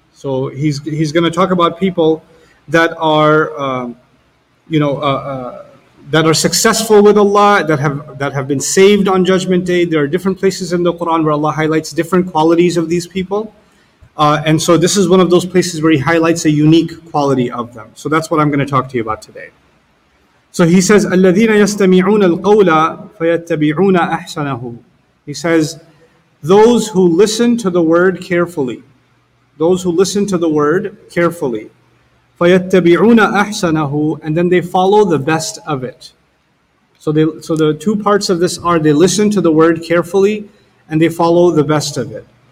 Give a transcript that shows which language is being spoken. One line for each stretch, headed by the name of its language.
English: So He's going to talk about people that are, that are successful with Allah, that have been saved on Judgment Day. There are different places in the Quran where Allah highlights different qualities of these people. And so this is one of those places where He highlights a unique quality of them. So that's what I'm going to talk to you about today. So He says,
Arabic: الَّذِينَ يَسْتَمِعُونَ الْقَوْلَ فَيَتَّبِعُونَ أَحْسَنَهُ.
English: He says, those who listen to the word carefully, those who listen to the word carefully,
Arabic: فَيَتَّبِعُونَ أَحْسَنَهُ,
English: and then they follow the best of it. So the two parts of this are, they listen to the word carefully, and they follow the best of it.